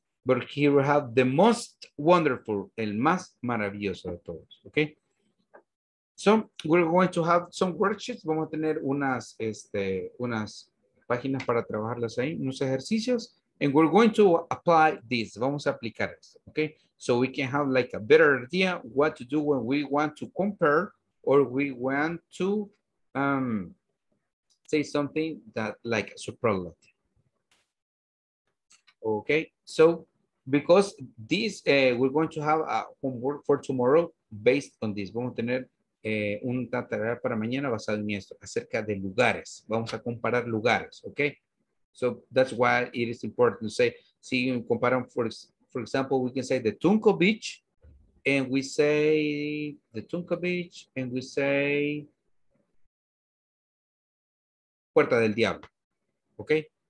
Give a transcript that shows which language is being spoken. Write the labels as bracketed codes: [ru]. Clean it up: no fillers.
[en] But here we have the most wonderful, [es] el más maravilloso de todos, [en] okay? So, we're going to have some worksheets. [es] Vamos a tener unas, unas páginas para trabajarlas ahí, unos ejercicios. [en] And we're going to apply this. [es] Vamos a aplicar esto, [en] okay? So we can have like a better idea what to do when we want to compare or we want to say something that like superlative. Okay, so... Because this, we're going to have a homework for tomorrow based on this. [es] Vamos a tener una tarea para mañana basada en esto, acerca de lugares. Vamos a comparar lugares, okay? [en] So that's why it is important to say, [es] si comparan, [en] for example, we can say the Tunco Beach, and we say the Tunco Beach, and we say Puerta del Diablo, okay?